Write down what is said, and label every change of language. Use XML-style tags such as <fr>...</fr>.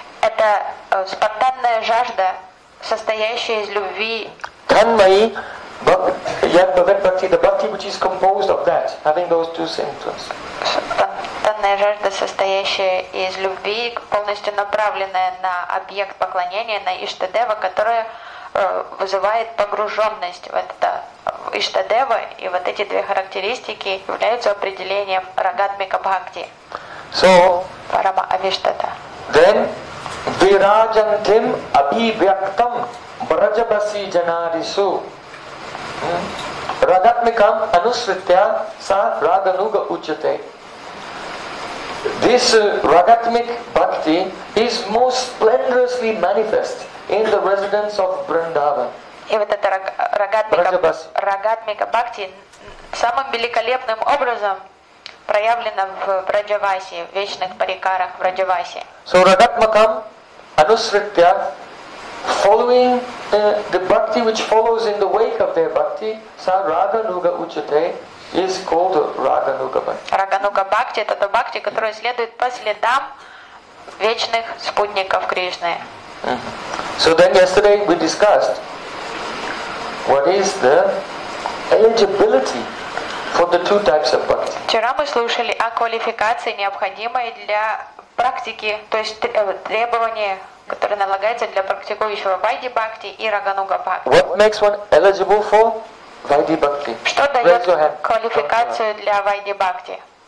<ru>Это спонтанная жажда, состоящая из любви.</ru> <sa>Tanmayi, yad bhavet bhakti,</sa> <en>the bhakti which is composed of that, having those two symptoms.</en> <ru>Спонтанная жажда, состоящая из любви, полностью направленная на объект поклонения, на иштадева, которая вызывает погруженность в это. Иштадева и вот эти две характеристики являются определением рагатмика бхакти.</ru> <en>So,</en> <sa>парама авиштата. Then, вираджантим абивьяктам браджабаси джанарису рагатмикам анусритя са рагануга учате.</sa> <en>This рагатмик бхакти is most splendorously manifest in the residents of Vrindavan.</en> <ru>И вот эта рагатмика бхакти самым великолепным образом проявлена в Враджаваси, в вечных парикарах в Враджаваси.</ru> <en>So</en> <sa>рагатмакам анусритя,</sa> <en>following the bhakti which follows in the wake of their bhakti,</en> <sa>са рагануга учате,</sa> <en>is called рагануга бхакти.</en> <ru>Рагануга бхакти — это то бхакти, которое следует по следам вечных спутников Кришны.</ru> <en>So then yesterday we discussed what is the eligibility for the two types of bhakti?</en> <ru>Вчера мы слушали о квалификации, необходимой для практики, то есть требования, которые налагаются для практикующего вайди бхакти и рагануга бхакти.</ru> <en>What makes one eligible for vaidhi bhakti?</en> <ru>Что дает квалификацию для вайди бхакти?</ru>